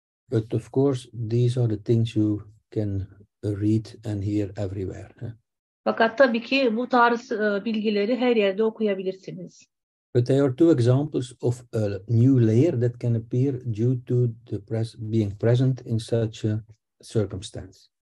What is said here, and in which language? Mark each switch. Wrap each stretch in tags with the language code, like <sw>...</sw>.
<en>But of course these are the things you can read and hear everywhere.</en> <tr>Fakat tabii ki bu tarz bilgileri her yerde okuyabilirsiniz.</tr> <en>But there are two examples of a new layer that can appear due to the being present in such a circumstance.</en>